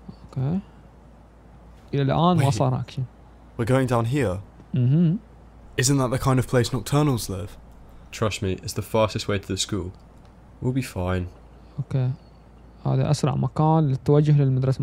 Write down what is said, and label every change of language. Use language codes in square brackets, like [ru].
[ar] Okay. إلى الآن ما صار أكشن. [en] We're going down here. Mm-hmm. Isn't that the kind of place nocturnals live? Trust me, it's the fastest way to the school. We'll be fine. Okay. [ar] هذا أسرع مكان للتوجه للمدرسة.